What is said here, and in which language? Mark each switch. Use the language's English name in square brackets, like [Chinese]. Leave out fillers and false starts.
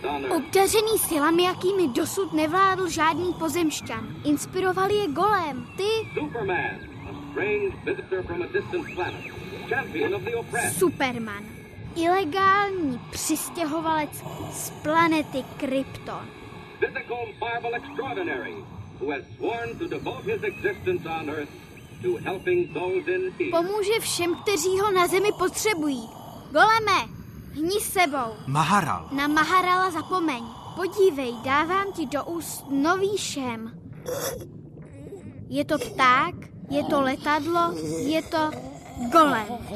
[Czech] Obdařený silami, jakými dosud nevládl žádný pozemšťan. Inspiroval je golem, ty. [English] Superman, a strange visitor from a distant planet. Superman. [Czech] Ilegální přistěhovalec z planety Krypton. [English] Physical marvel extraordinary, who has sworn to devote his existence on Earth to helping those in need. [Czech] Pomůže všem, kteří ho na Zemi potřebují. Goleme, hni sebou. Maharal. Na Maharala zapomeň. Podívej, dávám ti do úst nový šem. Je to pták, je to letadlo, je to golem.